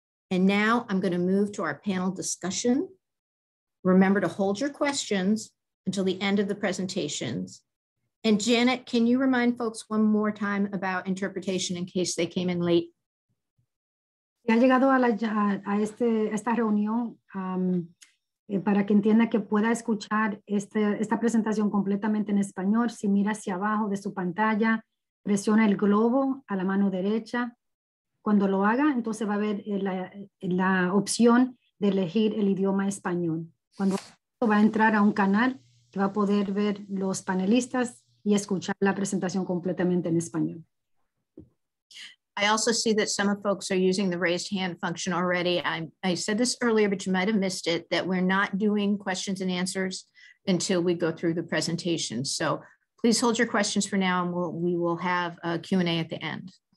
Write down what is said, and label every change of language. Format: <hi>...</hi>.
<en>And now I'm going to move to our panel discussion. Remember to hold your questions until the end of the presentations. And Janet, can you remind folks one more time about interpretation in case they came in late?</en> <es>Ya ha llegado a esta reunión para que entienda que pueda escuchar esta presentación completamente en español. Si mira hacia abajo de su pantalla, presiona el globo a la mano derecha. Cuando lo haga, entonces va a ver la opción de elegir el idioma español. Cuando va a entrar a un canal, va a poder ver los panelistas y escuchar la presentación completamente en español.</es> <en>I also see that some of folks are using the raised hand function already. I said this earlier, but you might have missed it, that we're not doing questions and answers until we go through the presentation. So please hold your questions for now, and we will have a Q&A at the end.</en>